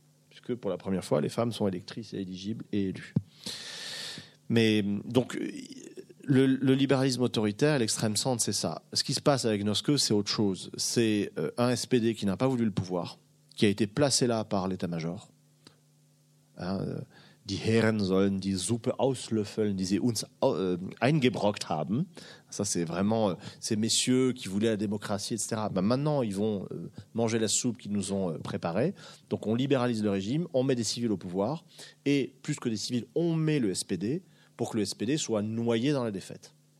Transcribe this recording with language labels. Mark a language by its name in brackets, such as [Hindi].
[French] Puisque pour la première fois, les femmes sont électrices et éligibles et élues. Mais donc, le libéralisme autoritaire, l'extrême centre, c'est ça. Ce qui se passe avec Noske, c'est autre chose. C'est un SPD qui n'a pas voulu le pouvoir, qui a été placé là par l'état-major. [German] Hein, die Herren sollen die Suppe auslöffeln, die sie uns eingebrockt haben. [French] Ça, c'est vraiment ces messieurs qui voulaient la démocratie, etc. Ben maintenant, ils vont manger la soupe qu'ils nous ont préparée. Donc, on libéralise le régime, on met des civils au pouvoir. Et plus que des civils, on met le SPD pour que le SPD soit noyé dans la défaite.